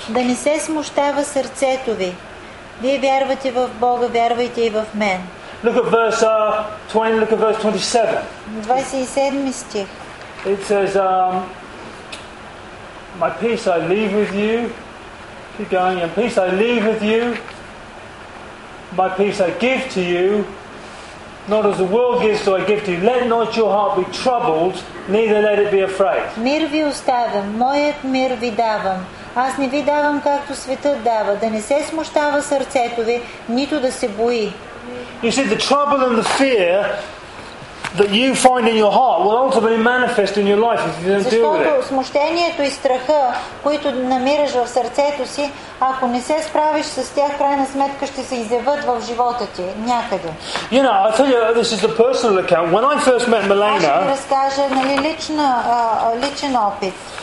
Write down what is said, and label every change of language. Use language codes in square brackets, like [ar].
[bg] Да не се смущава сърцето ви. Вие вярвате в Бога, вярвайте и в мен. [en] Look at verse 20. Look at verse 27. [bg] 27 стих. [en] It says, "My peace I leave with you." Keep going. "And peace I leave with you. My peace I give to you. Not as the world gives, do I give to you. Let not your heart be troubled, neither let it be afraid." [bg] Мир ви оставям, моят мир ви давам. Аз не ви давам както светът дава. Да не се смущава сърцето ви, нито да се бои. [en] You see, the trouble and the fear that you find in your heart will ultimately manifest in your life if you don't deal with it. [bg] Защото смущението и страха, които намираш в сърцето си, ако не се справиш с тях, крайна сметка ще се изявят в живота ти някъде. [en] You know, I tell you, this is a personal account. When I first met Milena, [bg] ще ви разкажа, нали, личен опит.